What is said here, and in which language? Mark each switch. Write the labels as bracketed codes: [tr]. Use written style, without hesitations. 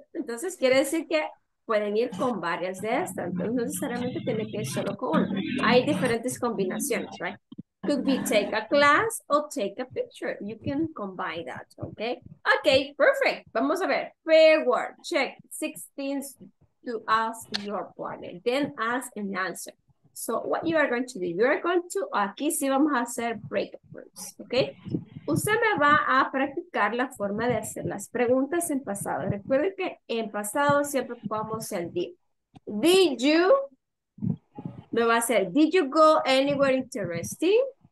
[es] Entonces quiere decir que pueden ir con varias de estas, entonces no necesariamente tiene que ir solo con una. Hay diferentes combinaciones, right? [en] Could be take a class or take a picture. You can combine that, okay? Okay, perfect. [es] Vamos a ver. [en] Fair word. Check 16 to ask your partner. Then ask and answer. So what you are going to do, you are going to, [es] aquí sí vamos a hacer break groups, [en] okay? [es] Usted me va a practicar la forma de hacer las preguntas en pasado. Recuerde que en pasado siempre ocupamos el did. [en] Did you, [es] me va a hacer, [en] did you go anywhere interesting?